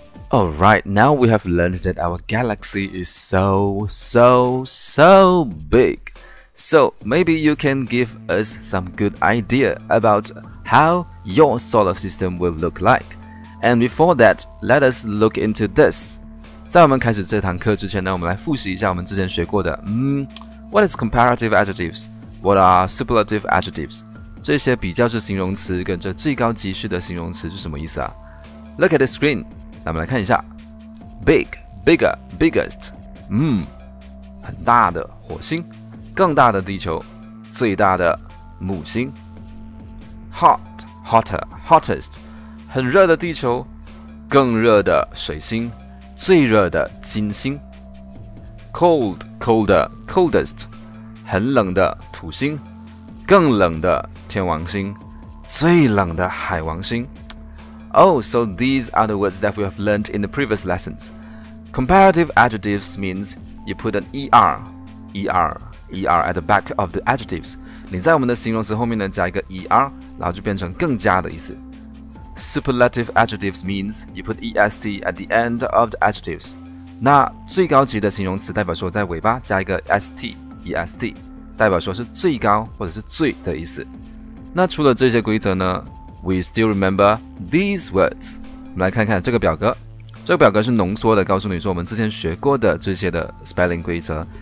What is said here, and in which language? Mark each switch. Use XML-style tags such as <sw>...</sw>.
<en>All right, now we have learned that our galaxy is so big. So, maybe you can give us some good idea about how your solar system will look like. And before that, let us look into this.</en> <zh>在我们开始这堂课之前呢，我们来复习一下我们之前学过的。</zh> <en>What is comparative adjectives? What are superlative adjectives?</en> <zh>这些比较式形容词跟这最高级序的形容词是什么意思啊？</zh> <en>Look at the screen.</en> <zh>那我们来看一下。</zh> <en>Big, bigger, biggest.</en> <zh>很大的火星。更大的地球。最大的木星。</zh> <en>Hot, hotter, hottest.</en> <zh>很热的地球。更热的水星。最热的金星。</zh> <en>Cold, colder, coldest.</en> <zh>很冷的土星。更冷的天王星。最冷的海王星。</zh> <en>Oh, so these are the words that we have learned in the previous lessons. Comparative adjectives means you put an er, er, er at the back of the adjectives.</en> <zh>你在我们的形容词后面呢加一个 er, 然后就变成更加的意思。</zh> <en>Superlative adjectives means you put est at the end of the adjectives.</en> <zh>那最高级的形容词代表说在尾巴加一个 st, est, 代表说是最高或者是最的意思。那除了这些规则呢？</zh> <en>We still remember these words.</en> <zh>我们来看看这个表格。这个表格是浓缩的，告诉你说我们之前学过的这些的 spelling 规则。</zh>